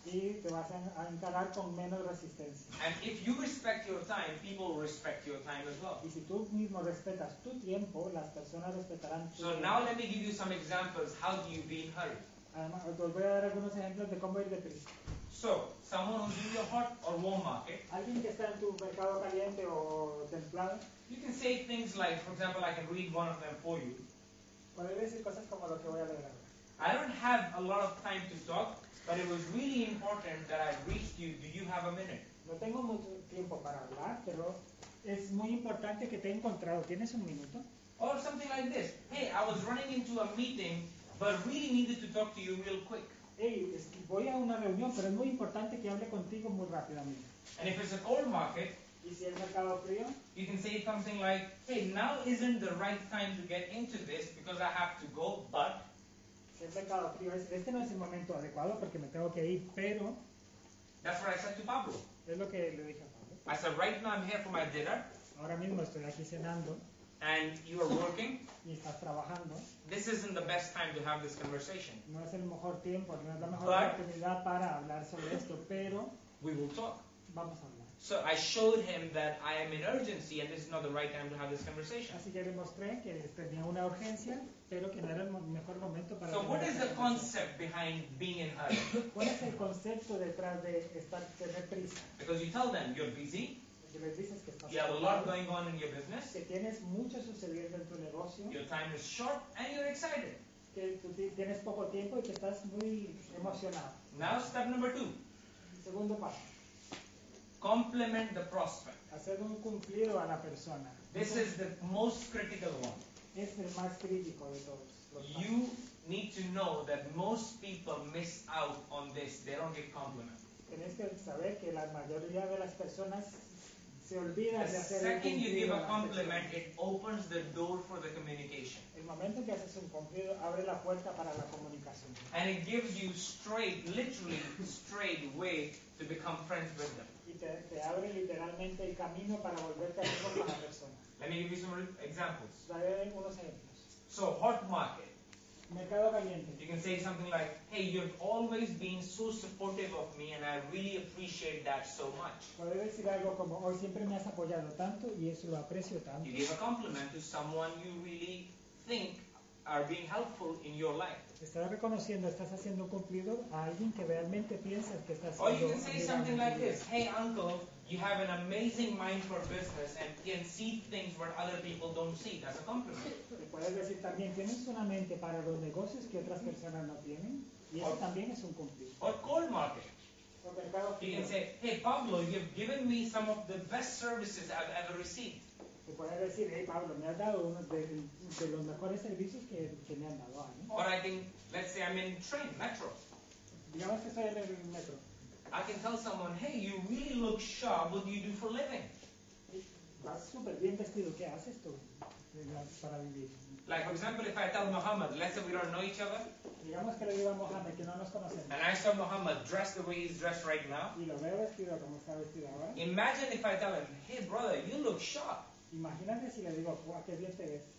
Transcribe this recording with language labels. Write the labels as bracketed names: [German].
[Spanish] Y te vas a encarar con menos resistencia. [English] And if you respect your time, people will respect your time as well. [Spanish] Y si tú mismo respetas tu tiempo, las personas respetarán tu tiempo. [English] So now let me give you some examples. How do you be in hurry? [Spanish] Además, os voy a dar algunos ejemplos de cómo ir deprisa. [English] So, someone who's in your hot or warm market. [Spanish] Alguien que está en tu mercado caliente o templado. [English] You can say things like, for example, I can read one of them for you. [Spanish] Puedes decir cosas como lo que voy a leer. [English] I don't have a lot of time to talk, but it was really important that I reached you. Do you have a minute? [Spanish] No tengo mucho tiempo para hablar, pero es muy importante que te he encontrado. ¿Tienes un minuto? [English] Or something like this. Hey, I was running into a meeting, but really needed to talk to you real quick. [Spanish] Hey, es que voy a una reunión, pero es muy importante que hable contigo muy rápidamente. [English] And if it's a cold market, [Spanish] ¿y si es mercado frío? [English] You can say something like, hey, now isn't the right time to get into this because I have to go, but... [Spanish] Si es mercado frío, este no es el momento adecuado porque me tengo que ir, pero... [English] That's what I said to Pablo. [Spanish] Es lo que le dije a Pablo. [English] I said, right now I'm here for my dinner. [Spanish] Ahora mismo estoy aquí cenando. [English] And you are working. [Spanish] Y estás trabajando. [English] This isn't the best time to have this conversation. [Spanish] No es el mejor tiempo, no es la mejor oportunidad para hablar sobre esto, pero [English] we will talk. [Spanish] Vamos a hablar. [English] So I showed him that I am in urgency and this is not the right time to have this conversation. [Spanish] Así que le mostré que tenía una urgencia, pero que no era el mejor momento para. [English] So what is the concept behind being in hurry? [Spanish] ¿Cuál es el concepto detrás de estar tener prisa? [English] Because you tell them you're busy. You have a lot going on in your business. [Spanish] Que tienes mucho sucediendo en tu negocio. [English] Your time is short and you're excited. [Spanish] Que tú tienes poco tiempo y que estás muy emocionado. [English] Now step number 2. [Spanish] Segundo paso. [English] Compliment the prospect. [Spanish] Hacer un cumplido a la persona. [English] This is the most critical one. [Spanish] Es el más crítico de todos. [English] You need to know that most people miss out on this. They don't give compliments. [Spanish] Tienes que saber que la mayoría de las personas... Se olvida [English] the [Spanish] de hacer [English] second you give a compliment, it opens the door for the communication. [Spanish] El momento que haces un cumplido abre la puerta para la comunicación. [English] And it gives you straight, literally straight way to become friends with them. [Spanish] Y te abre literalmente el camino para volverte amigo con la persona. [English] Let me give you some examples. [Spanish] Daré unos ejemplos. [English] So, hot market. [Spanish] Mercado caliente. [English] You can say something like, hey, you've always been so supportive of me and I really appreciate that so much. [Spanish] Puedes decir algo como, hoy siempre me has apoyado tanto y eso lo aprecio tanto. [English] You give a compliment to someone you really think are being helpful in your life. [Spanish] Estás reconociendo, estás haciendo un cumplido a alguien que realmente piensas que estás haciendo. [English] Or you can say something like this, hey, uncle, you have an amazing mind for business and can see things where other people don't see. That's a compliment. [Spanish] Puedes decir también, tienes una mente para los negocios que otras personas no tienen. Y eso también es un cumplido. [English] Or cold market. [Spanish] O mercado frío. [English] You can say, hey, Pablo, you've given me some of the best services I've ever received. [Spanish] Te puedes decir, hey, Pablo, me has dado uno de los mejores servicios que me han dado. ¿No? [English] Or I can, let's say I'm in train, metro. [Spanish] Digamos que estoy en el metro. [English] I can tell someone, hey, you really look sharp. What do you do for a living? [Spanish] Vas súper bien vestido. ¿Qué haces tú para vivir? [English] Like, for example, if I tell Muhammad, let's say we don't know each other. [Spanish] Digamos que le digo a Muhammad que no nos conocemos. [English] And I saw Muhammad dressed the way he's dressed right now. [Spanish] Y lo veo vestido como está vestido ahora. [English] Imagine if I tell him, hey, brother, you look sharp. [Spanish] Imagínate si le digo, ¿qué bien te ves?